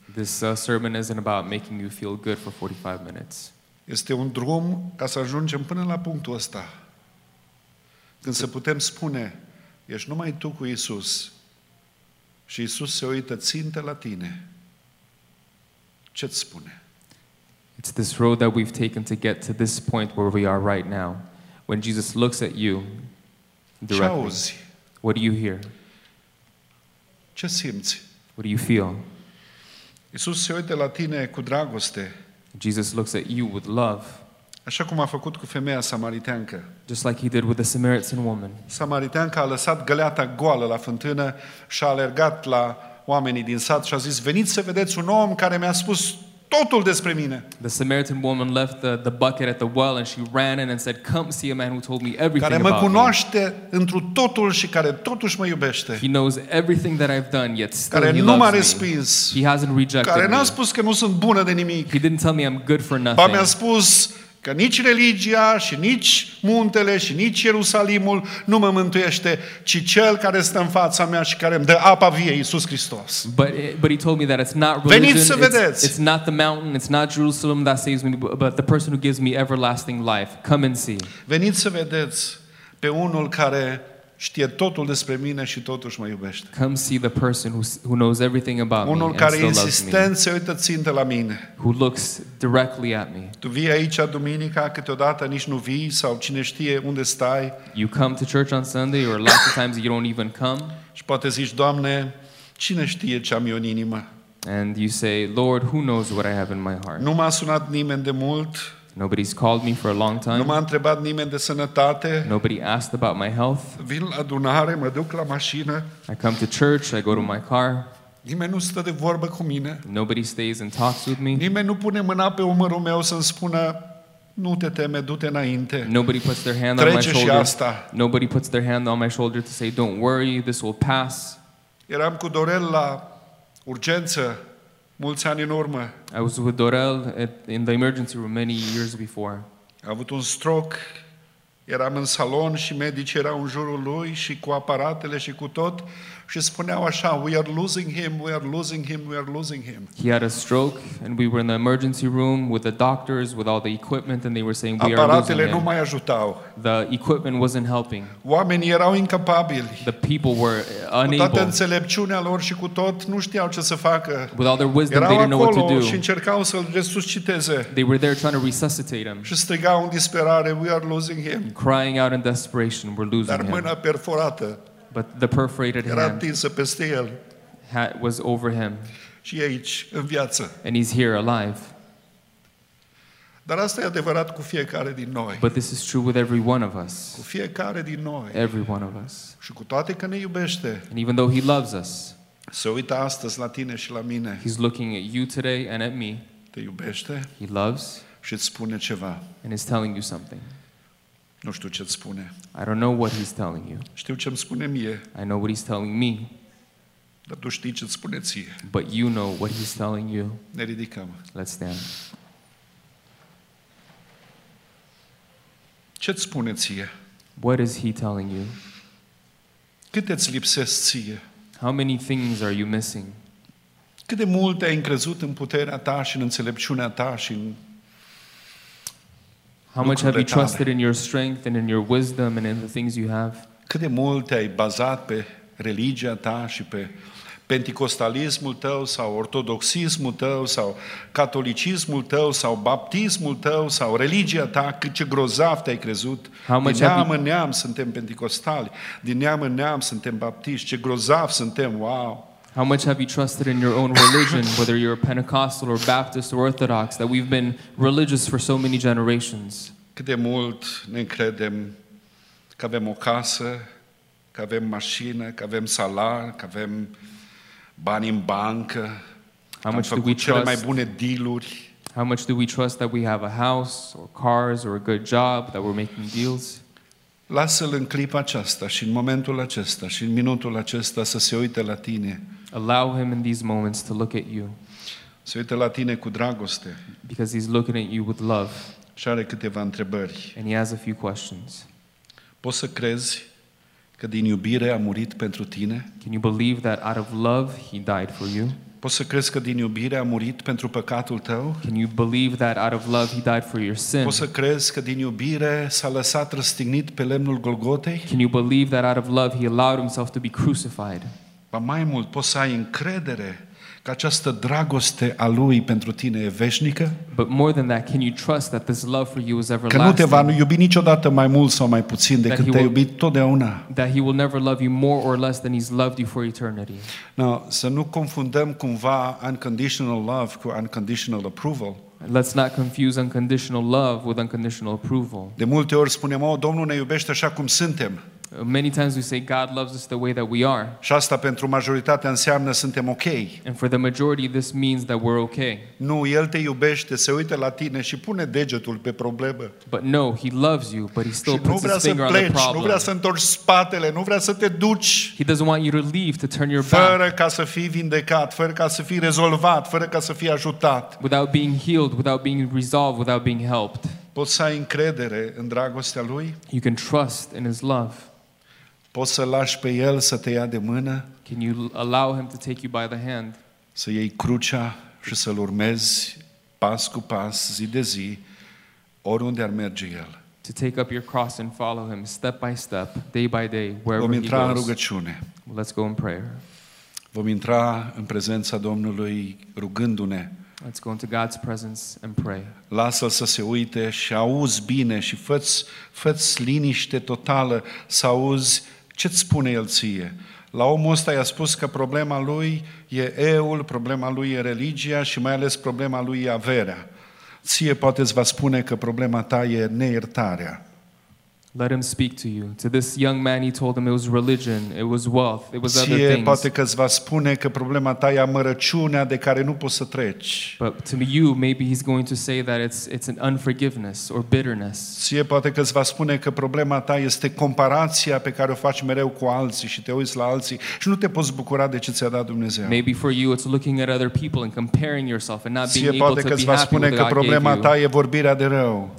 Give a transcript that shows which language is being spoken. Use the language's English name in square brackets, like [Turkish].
[English] This sermon isn't about making you feel good for 45 minutes. [Romanian] Este un drum ca să ajungem până la punctul ăsta. Când să putem spune, ești numai tu cu Iisus și Iisus se uită țintă la tine. Ce-ți spune? [English] It's this road that we've taken to get to this point where we are right now. When Jesus looks at you directly, [Romanian] ce-auzi? [English] What do you hear? [Romanian] Ce simți? [English] What do you feel? [Romanian] Iisus se uită la tine cu dragoste. [English] Jesus looks at you with love. [Romanian] Așa cum a făcut cu femeia samariteancă. [English] Just like he did with the Samaritan woman. [Romanian] Samariteanca a lăsat găleata goală la fântână și a alergat la oamenii din sat și a zis, veniți să vedeți un om care mi-a spus totul despre mine. [English] The Samaritan woman left the bucket at the well and she ran in and said, come see a man who told me everything about me. [Romanian] Care mă cunoaște întru totul și care totuși mă iubește. [English] He knows everything that I've done, yet still [Romanian] care [English] he loves [Romanian] me. Care nu m-a respins. [English] He hasn't rejected [Romanian] care n-a spus [English] me. [Romanian] Că nu sunt bună de nimic. [English] He didn't tell me I'm good for nothing. [Romanian] Mi-a spus că nici religia și nici muntele și nici Ierusalimul nu mă mântuiește, ci cel care stă în fața mea și care îmi dă apa vie, Iisus Hristos. [English] But he told me that it's not religion. [Romanian] Veniți să vedeți. [English] It's not the mountain, it's not Jerusalem that saves me, but the person who gives me everlasting life. Come and see. [Romanian] Veniți să vedeți pe unul care știe totul despre mine și totuși mă iubește. [English] Come see the person who knows everything about [Romanian] unul [English] me. [Romanian] Unul care insistent se uită țintă la mine. [English] Who looks directly at me. [Romanian] Tu vii aici duminica, câteodată nici nu vii sau cine știe unde stai. [English] You come to church on Sunday or lots of times you don't even come. [Romanian] Și poate zici, Doamne, cine știe ce am eu în inimă? [English] And you say, Lord, who knows what I have in my heart? [Romanian] Nu m-a sunat nimeni de mult. [English] Nobody's called me for a long time. [Romanian] Nu m-a întrebat nimeni de sănătate. [English] Nobody asked about my health. [Romanian] Vin la adunare, mă duc la mașină. [English] I come to church, I go to my car. [Romanian] Nimeni nu stă de vorbă cu mine. [English] Nobody stays and talks with me. [Romanian] Nimeni nu pune mâna pe umărul meu să-mi spună, nu te teme, du-te înainte. [English] Nobody puts their hand [Romanian] trece [English] on my shoulder. [Romanian] Trece și asta. [English] Nobody puts their hand on my shoulder to say, don't worry, this will pass. [Romanian] Eram cu Dorel la urgență. Mulți ani în urmă. [English] I was with Dorel in the emergency room many years before. [Romanian] A avut un stroke. Eram în salon și medicii erau în jurul lui și cu aparatele și cu tot și spuneau așa, [English] we are losing him, [Romanian] we are losing him, we are losing him. [English] He had a stroke and we were in the emergency room with the doctors, with all the equipment and they were saying we [Romanian] aparatele [English] are losing him. [Romanian] Aparatele nu mai ajutau. [English] The equipment wasn't helping. [Romanian] Oamenii erau incapabili. [English] The people were unable. [Romanian] Cu toată înțelepciunea lor și cu tot, nu știau ce să facă. [English] With all their wisdom, [Romanian] erau [English] they didn't know what to do. [Romanian] Și încercau să-l resusciteze. [English] They were there trying to resuscitate him. [Romanian] Și strigau în disperare, [English] we are losing him. Crying out in desperation, we're losing him. [Romanian] Dar mâna perforată. [English] But the perforated [Romanian] era tinsă peste el. [English] Hand was over him. [Romanian] Și aici, în viață. [English] And he's here alive. [Romanian] Dar asta e adevărat cu fiecare din noi. [English] But this is true with every one of us. [Romanian] Cu fiecare din noi. [English] Every one of us. [Romanian] Și cu toate că ne iubește. [English] And even though he loves us. [Romanian] Se uită astăzi la tine și la mine. [English] He's looking at you today and at me. [Romanian] Te iubește. [English] He loves. [Romanian] Și îți spune ceva. [English] And he's telling you something. [Romanian] Nu știu ce îți spune. [English] I don't know what he's telling you. [Romanian] Știu ce îmi spune mie. [English] I know what he's telling me. [Romanian] Dar tu știi ce îți spune ție. [English] But you know what he's telling you. [Romanian] Ne ridicăm. [English] Let's stand. [Romanian] Ce îți spune ție? [English] What is he telling you? [Romanian] Câte îți lipsesc ție? [English] How many things are you missing? [Romanian] Cât de mult ai încrezut în puterea ta și în înțelepciunea ta și în [English] How much have you trusted in your strength and in your wisdom and in the things you have? [Romanian] Cât de mult ai bazat pe religia ta și pe penticostalismul tău sau ortodoxismul tău sau catolicismul tău sau baptismul tău sau religia ta, cât ce grozav te-ai crezut. Din neam în neam suntem penticostali, din neam în neam suntem baptiști, ce grozav suntem, wow! [English] How much have you trusted in your own religion, whether you're a Pentecostal or Baptist or Orthodox, that we've been religious for so many generations? [Romanian] Cât de mult ne credem că avem o casă, că avem mașină, că avem salar, că avem bani în bancă, [English] how much [Romanian] am făcut [English] do we [Romanian] cele [English] trust, [Romanian] mai bune deal-uri. [English] How much do we trust that we have a house or cars or a good job, that we're making deals? [Romanian] Lasă-l în clipa aceasta și în momentul acesta și în minutul acesta să se uite la tine. [English] Allow him in these moments to look at you. [Romanian] Se uită la tine cu dragoste. [English] Because he's looking at you with love. [Romanian] Și are câteva întrebări. [English] And he has a few questions. [Romanian] Poți să crezi că din iubire a murit pentru tine? [English] Can you believe that out of love he died for you? [Romanian] Poți să crezi că din iubire a murit pentru păcatul tău? [English] Can you believe that out of love he died for your sin? [Romanian] Poți să crezi că din iubire s-a lăsat răstignit pe lemnul Golgotei? [English] Can you believe that out of love he allowed himself to be crucified? [Romanian] Ba mai mult, poți să ai încredere că această dragoste a lui pentru tine e veșnică? [English] But more than that, can you trust that this love for you is everlasting? [Romanian] Că nu te va iubi niciodată mai mult sau mai puțin decât te-a iubit totdeauna. [English] That he will never love you more or less than he's loved you for eternity. [Romanian] Now, să nu confundăm cumva unconditional love cu unconditional approval. [English] Let's not confuse unconditional love with unconditional approval. [Romanian] De multe ori spunem, oh, Domnul ne iubește așa cum suntem. [English] Many times we say God loves us the way that we are. [Romanian] Și asta pentru majoritatea înseamnă suntem okay. [English] And for the majority this means that we're okay. [Romanian] Nu, el te iubește, se uită la tine și pune degetul pe problemă. [English] But no, he loves you, but he still puts his finger [Romanian] pleci, [English] on the problem. [Romanian] Nu vrea să întorci spatele, nu vrea să te duci. [English] He doesn't want you to leave, to turn your back. [Romanian] Fără ca să fii vindecat, fără ca să fii rezolvat, fără ca să fii ajutat. [English] Without being healed, without being resolved, without being helped. [Romanian] Poți să ai încredere în dragostea lui? [English] You can trust in his love. [Romanian] Poți să lași pe el să te ia de mână? [English] Can you allow him to take you by the hand? [Romanian] Să iei crucea și să-l urmezi pas cu pas, zi de zi, oriunde ar merge el. [English] To take up your cross and follow him step by step, day by day, wherever he goes. [Romanian] Vom intra în rugăciune. [English] Let's go in prayer. [Romanian] Vom intra în prezența Domnului rugându-ne. [English] Let's go into God's presence and pray. [Romanian] Lasă-l să se uite și auzi bine și fă-ți liniște totală să auzi ce-ți spune el ție. La omul ăsta i-a spus că problema lui e euul, problema lui e religia și mai ales problema lui e averea. Ție poate-ți va spune că problema ta e neiertarea. [English] Let him speak to you. To this young man he told him it was religion, it was wealth, it was [Romanian] ție [English] other things. [Romanian] Poate că îți va spune că problema ta e amărăciunea de care nu poți să treci. [English] But to you, maybe he's going to say that it's an unforgiveness or bitterness. [Romanian] Ție poate că îți va spune că problema ta este comparația pe care o faci mereu cu alții și te uiți la alții și nu te poți bucura de ce ți-a dat Dumnezeu. [English] Maybe for you it's looking at other people and comparing yourself and not being able to be happy with God. [Romanian] Ție poate că îți va spune că problema ta e vorbirea de rău.